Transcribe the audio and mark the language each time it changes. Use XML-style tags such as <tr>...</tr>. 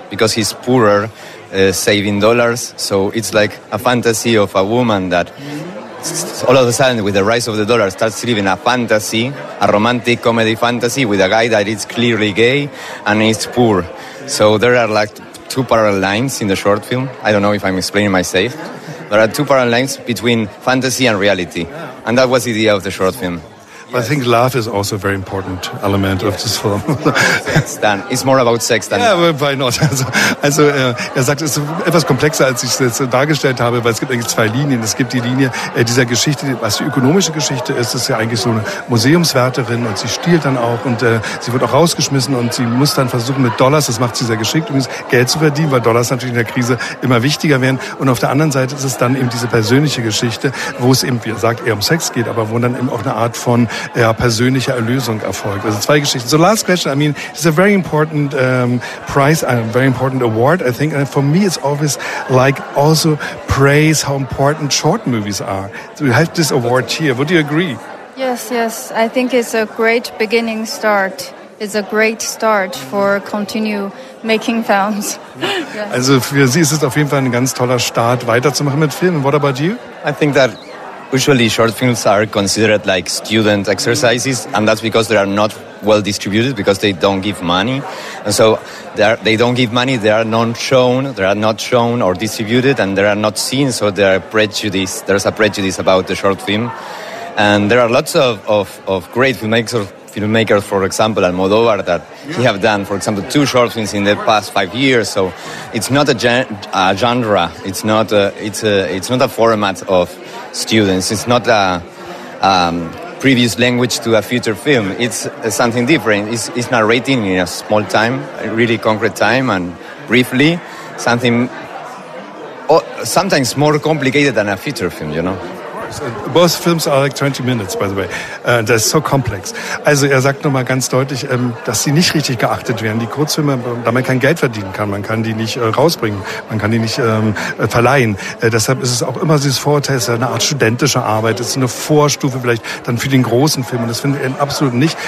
<en>Because he's poorer, saving dollars. So it's like a fantasy of a woman that all of a sudden, with the rise of the dollar, starts living a fantasy, a romantic comedy fantasy with a guy that is clearly gay and is poor. So there are like two parallel lines in the short film. I don't know if I'm explaining myself. There are two parallel lines between fantasy and reality. And that was the idea of the short film. I think love is also a very important element of this film. It's more about sex than... Yeah, why not?</en> <de>Also er sagt, es ist etwas komplexer, als ich es jetzt dargestellt habe, weil es gibt eigentlich zwei Linien. Es gibt die Linie dieser Geschichte, was die ökonomische Geschichte ist. Es ist ja eigentlich so eine Museumswärterin und sie stiehlt dann auch und sie wird auch rausgeschmissen und sie muss dann versuchen mit Dollars, das macht sie sehr geschickt, übrigens Geld zu verdienen, weil Dollars natürlich in der Krise immer wichtiger werden. Und auf der anderen Seite ist es dann eben diese persönliche Geschichte, wo es eben, wie er sagt, eher um Sex geht, aber wo dann eben auch eine Art von ja, persönliche Erlösung erfolgt. Also zwei Geschichten.</de> <en>So last question, I mean, it's a very important prize, a very important award, I think. And for me, it's always like also praise how important short movies are. So we have this award here. Would you agree? Yes, yes. I think it's a great beginning start. It's a great start for continue making films.</en> <de>Also für Sie ist es auf jeden Fall ein ganz toller Start, weiterzumachen mit Filmen.</de> <en>What about you? I think that usually short films are considered like student exercises, and that's because they are not well distributed, because they don't give money. And so they don't give money, they are not shown, or distributed, and they are not seen, so there are prejudice. There's a prejudice about the short film. And there are lots of great filmmakers, for example, Almodóvar, that he have done, for example, two short films in the past 5 years. So it's not a genre, it's not a format of students. It's not a previous language to a future film. It's something different. It's narrating in a small time, a really concrete time, and briefly, something sometimes more complicated than a feature film, you know. Both films are like 20 minutes, by the way. That's so complex.</en> <de>Also er sagt nochmal ganz deutlich, dass sie nicht richtig geachtet werden. Die Kurzfilme, da man kein Geld verdienen kann, man kann die nicht rausbringen, man kann die nicht verleihen. Deshalb ist es auch immer dieses Vorurteil, es ist eine Art studentische Arbeit, es ist eine Vorstufe vielleicht dann für den großen Film. Und das finde ich eben absolut nicht.</de>